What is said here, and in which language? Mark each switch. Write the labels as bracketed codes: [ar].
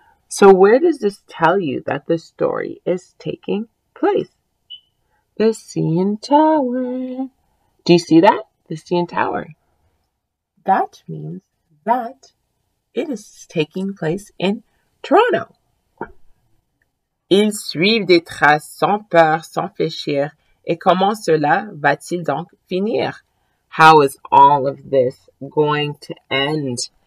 [en] So where does this tell you that the story is taking place? The CN Tower. Do you see that? The CN Tower. That means that it is taking place in Toronto. [fr] Ils suivent des traces sans peur, sans fléchir. Et comment cela va-t-il donc finir? [en] How is all of this going to end?